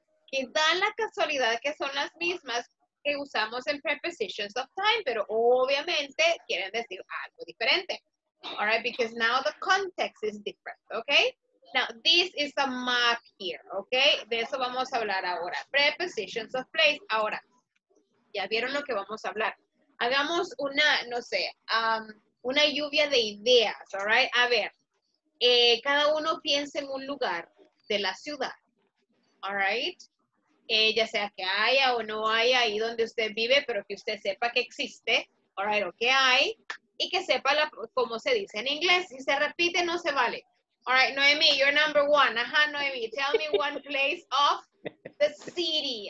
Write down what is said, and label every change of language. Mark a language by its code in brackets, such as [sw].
[es] Que dan la casualidad que son las mismas que usamos en prepositions of time, pero obviamente quieren decir algo diferente. [en] All right, because now the context is different, okay? Now, this is a mark here, okay? [es] De eso vamos a hablar ahora. [en] Prepositions of place. [es] Ahora, ya vieron lo que vamos a hablar. Hagamos una, no sé, una lluvia de ideas, [en] all right? [es] A ver, cada uno piensa en un lugar de la ciudad, [en] all right? [es] Ya sea que haya o no haya ahí donde usted vive, pero que usted sepa que existe, [en] all right, [es] o que hay, y que sepa la, cómo se dice en inglés. Si se repite, no se vale. [en] All right, Noemí, you're number one. Ajá, Noemí, tell me one place of the city.